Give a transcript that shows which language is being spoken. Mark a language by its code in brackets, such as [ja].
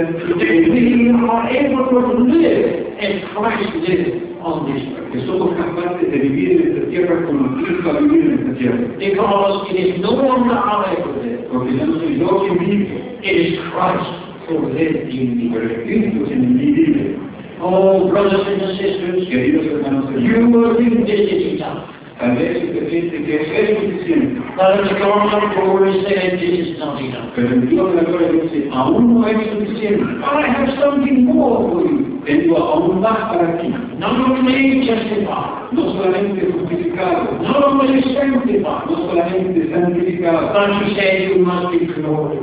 [en] that we are able to live as Christ lived on this earth. [es] Que somos capaces de vivir en esta tierra como Cristo ha vivido en esta tierra. [en] Because it is no longer I who live. [es] Porque yo soy yo quien vive. [en] It is Christ who lives in me. [es] Pero Cristo quien en mí vive. [en] Oh, brothers and sisters, [es] queridos hermanos, [en] you will think this is enough. [es] Tal vez usted piense que es suficiente. [en] But the God of glory said this is not enough. [es] Pero el Dios de la gloria dice, aún no es suficiente. [en] I have something more for you. [es] Tengo aún más para ti. [en] Not only justified. [es] No solamente justificado. [en] Not only sanctified. [es] No solamente santificado. [en] But he said you must be glorified.